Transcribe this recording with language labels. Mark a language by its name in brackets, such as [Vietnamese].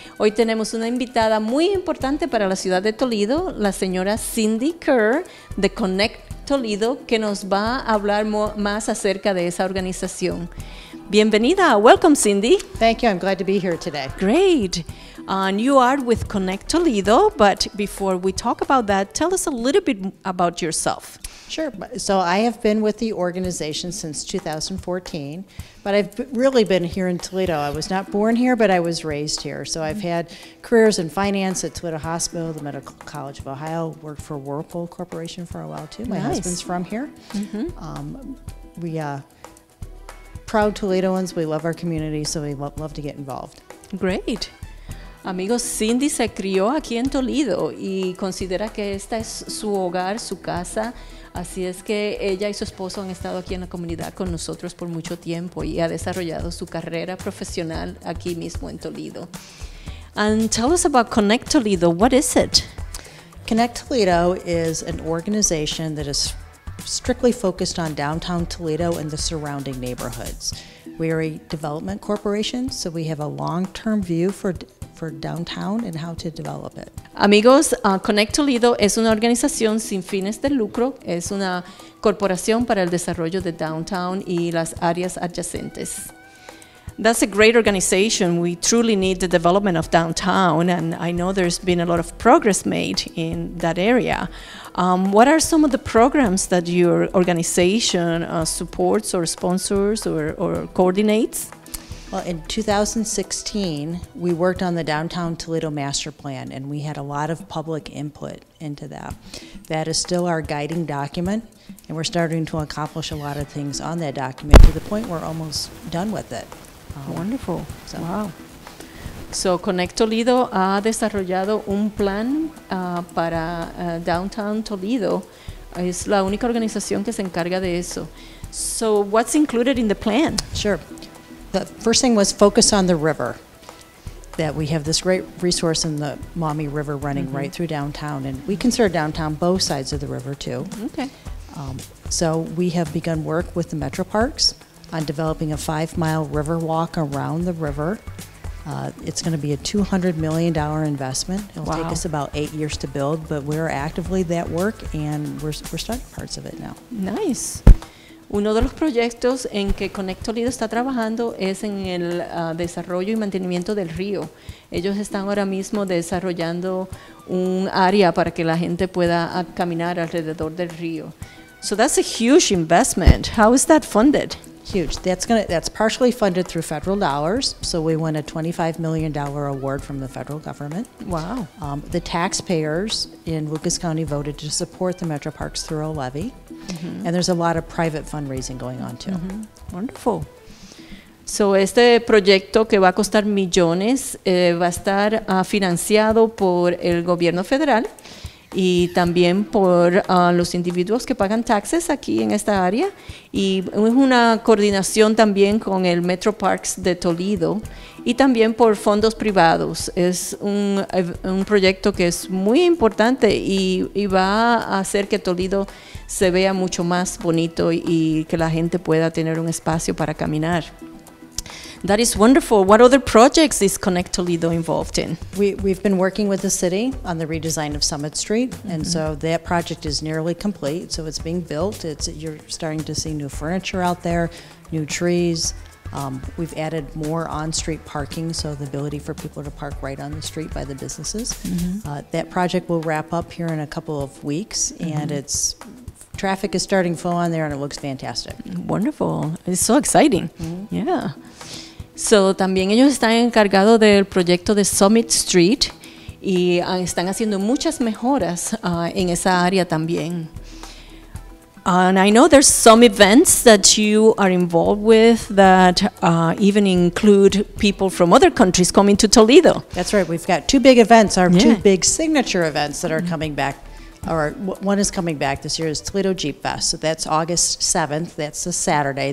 [Spanish] Hoy tenemos una invitada muy importante para la ciudad de Toledo, la señora Cindy Kerr de Connect Toledo, que nos va a hablar más acerca de esa organización. Bienvenida, [English] welcome [Spanish] Cindy. [English] Thank you, I'm glad to be here today. Great. And you are with Connect Toledo, but before we talk about that, tell us a little bit about yourself. Sure. So I have been with the organization since 2014, but I've really been here in Toledo. I was not born here, but I was raised here. So I've had careers in finance at Toledo Hospital, the Medical College of Ohio, worked for Whirlpool Corporation for a while too. My husband's from here. We proud Toledoans. We love our community, so we love to get involved. Great. [Spanish] Amigos, Cindy se crió aquí en Toledo y considera que esta es su hogar, su casa. Así es que ella y su esposo han estado aquí en la comunidad con nosotros por mucho tiempo y ha desarrollado su carrera profesional aquí mismo en Toledo. [English] And tell us about Connect Toledo. What is it? Connect Toledo is an organization that is strictly focused on downtown Toledo and the surrounding neighborhoods. We are a development corporation, so we have a long-term view for downtown and how to develop it. [Spanish] Amigos, Connect Toledo es una organización sin fines de lucro. Es una corporación para el desarrollo de downtown y las áreas adyacentes. [English] That's a great organization. We truly need the development of downtown, and I know there's been a lot of progress made in that area. What are some of the programs that your organization supports or sponsors or coordinates? Well, in 2016, we worked on the Downtown Toledo Master Plan, and we had a lot of public input into that. That is still our guiding document, and we're starting to accomplish a lot of things on that document to the point we're almost done with it. Wonderful. So. Wow. So, [Spanish] Connect Toledo ha desarrollado un plan para Downtown Toledo. Es la única organización que se encarga de eso. [English] So, what's included in the plan? Sure. The first thing was focus on the river, that we have this great resource in the Maumee River running right through downtown, and we consider downtown both sides of the river too. Okay. So we have begun work with the Metro Parks on developing a 5-mile river walk around the river. It's going to be a $200 million investment. It'll take us about 8 years to build, but we're actively that work, and we're starting parts of it now. Nice. [Spanish] Uno de los proyectos en que Connect Toledo está trabajando es en el desarrollo y mantenimiento del río. Ellos están ahora mismo desarrollando un área para que la gente pueda caminar alrededor del río. [English] So that's a huge investment. How is that funded? Huge. That's partially funded through federal dollars. So we won a $25 million award from the federal government. Wow. The taxpayers in Lucas County voted to support the Metro Parks through a levy. Mm-hmm. And there's a lot of private fundraising going on too. Mm-hmm. Wonderful. [Spanish] So este proyecto que va a costar millones va a estar financiado por el gobierno federal y también por los individuos que pagan taxes aquí en esta área. Y es una coordinación también con el Metro Parks de Toledo y también por fondos privados. Es un proyecto que es muy importante y va a hacer que Toledo se vea mucho más bonito y que la gente pueda tener un espacio para caminar. [English] That is wonderful. What other projects is Connect Toledo involved in? We've been working with the city on the redesign of Summit Street, and so that project is nearly complete. So it's being built. You're starting to see new furniture out there, new trees. We've added more on-street parking, so the ability for people to park right on the street by the businesses. Mm-hmm. That project will wrap up here in a couple of weeks, and it's traffic is starting full on there, and it looks fantastic. Wonderful. It's so exciting. Mm-hmm. Yeah. [Spanish] So, también ellos están encargados del proyecto de Summit Street y están haciendo muchas mejoras en esa área también. [English] And I know there's some events that you are involved with that even include people from other countries coming to Toledo. That's right. We've got two big events, our two big signature events that are coming back. One is coming back this year is Toledo Jeep Fest. So that's August 7th. That's a Saturday.